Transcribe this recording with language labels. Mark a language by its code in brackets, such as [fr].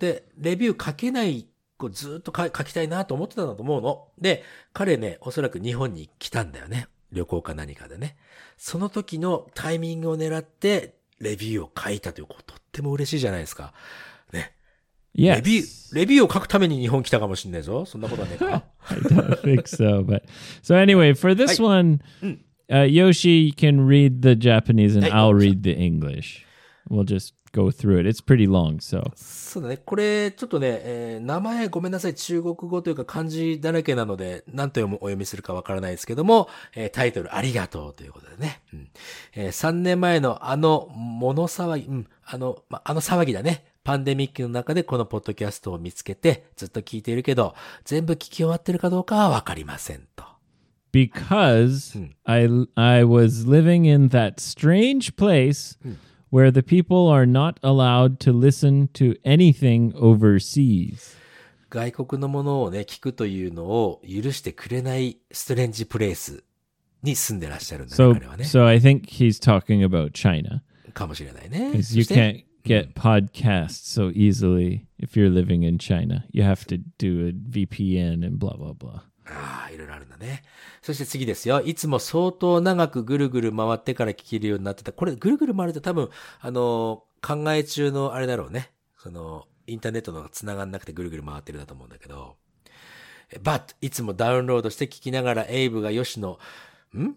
[ja] で、レビュー書けない、ずっと書きたいなと思ってたんだと思うの。で、彼ね、おそらく日本に来たんだよね。旅行か何かでね。その時のタイミングを狙って、レビューを書いたということ、とっても嬉しいじゃないですか。ね。 [en] Yes. [ja] レビューを書くために日本来たかもしれないぞ。そんなことはねえか。 [en] I don't think so. But so anyway, for this one,、はい Yoshi can read the Japanese and、はい、I'll read the English. We'll just go through it. It's pretty long, so. [ja] そうだね。これちょっとね、名前ごめんなさい。中国語というか漢字だらけなので、何と読むお読みするかわからないですけども、タイトルありがとうということでね。うん、3年前のあの物騒ぎ、うん、あの騒ぎだね。パンデミックの中でこのポッドキャストを見つけてずっと聞いているけど全部聞き終わってるかどうかは分かりませんと。 [en] Because、うん、I was living in that strange place、うん、where the people are not allowed to listen to anything overseas. [ja] 外国のものをね聞くというのを許してくれないストレンジプレイスに住んでらっしゃるんだよ、彼はね。 [en] So I think he's talking about China. [ja] かもしれないね。 [en] Because you can'tget podcasts so easily if you're living in China. You have to do a VPN and blah, blah, blah. [ja] ああ、いろいろあるんだね。そして次ですよ。いつも相当長くぐるぐる回ってから聞けるようになってた。これ、ぐるぐる回ると多分、考え中のあれだろうね。その、インターネットのがつながんなくてぐるぐる回ってるだと思うんだけど。 [en] But、 [ja] いつもダウンロードして聞きながらエイブがヨシの、ん?